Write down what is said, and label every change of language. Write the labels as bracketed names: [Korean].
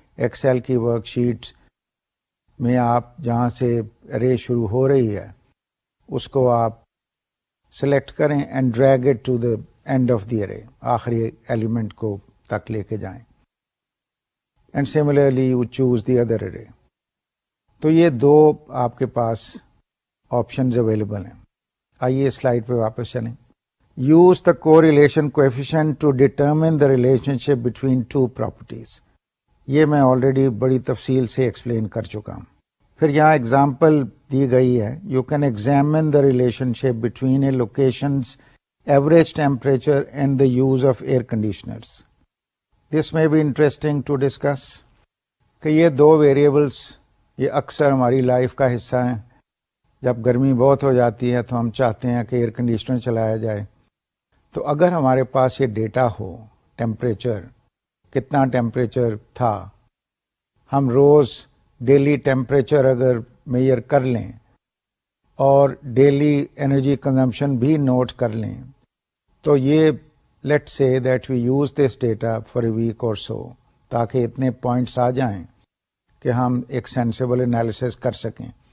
[Urdu] Excel کی work sheet میں آپ جہاں سے ارے شروع ہو رہی ہے اس کو آپ سلیکٹ کریں [English] and drag it to the end of the array, [Urdu] آخری ایلیمنٹ کو تک لے کے جائیں، [English] And similarly you choose the other array. [Urdu] تو یہ دو آپ کے پاس آپشنز اویلیبل ہیں. آئیے سلائڈ پہ واپس چلیں. [English] Use the correlation coefficient to determine the relationship between two properties. [Urdu] یہ میں آلریڈی بڑی تفصیل سے ایکسپلین کر چکا ہوں. پھر یہاں ایگزامپل دی گئی ہے، [English] You can examine the relationship between a locations average temperature and the use of air conditioners. This may be interesting to discuss [Urdu] کہ یہ دو ویریبلس یہ اکثر ہماری لائف کا حصہ ہیں. جب گرمی بہت ہو جاتی ہے تو ہم چاہتے ہیں کہ ایئر کنڈیشنر چلایا جائے. تو اگر ہمارے پاس یہ ڈیٹا ہو، ٹیمپریچر، کتنا ٹیمپریچر تھا، ہم روز ڈیلی ٹیمپریچر اگر میئر کر لیں اور ڈیلی انرجی کنزمپشن بھی نوٹ کر لیں، تو یہ [English] let's say that we use this data for a week [Urdu] اور سو، تاکہ اتنے پوائنٹس آ جائیں کہ ہم ایک سینسیبل انالیسس کر سکیں.